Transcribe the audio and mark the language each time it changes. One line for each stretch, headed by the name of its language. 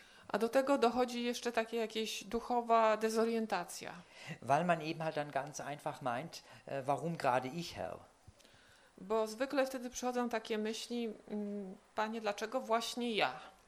Polish: A do tego dochodzi jeszcze takie jakieś duchowa dezorientacja.
German: Weil man eben halt dann ganz einfach meint, warum gerade ich, Herr?
Polish: Bo zwykle wtedy przychodzą takie myśli, Panie, dlaczego właśnie ja?